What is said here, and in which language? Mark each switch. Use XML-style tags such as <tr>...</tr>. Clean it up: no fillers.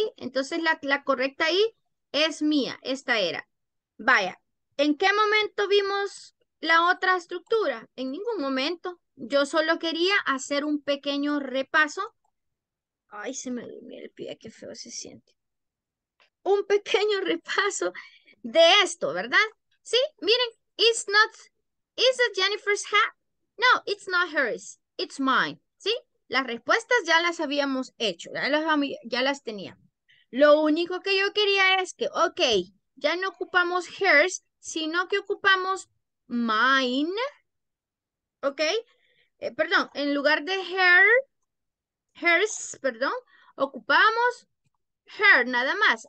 <es>Entonces la correcta ahí es mía, esta era. Vaya, ¿en qué momento vimos la otra estructura? En ningún momento. Yo solo quería hacer un pequeño repaso. Ay, se me durmió el pie, qué feo se siente. Un pequeño repaso de esto, ¿verdad? Sí, miren,</es> <en>it's not, is it Jennifer's hat? No, it's not hers, it's mine. ¿Sí?</en> <es>Las respuestas ya las habíamos hecho, ya las tenía. Lo único que yo quería es que, ok, ya no ocupamos hers, sino que ocupamos mine, ¿ok? Perdón, en lugar de hers, perdón, ocupamos her nada más.</es>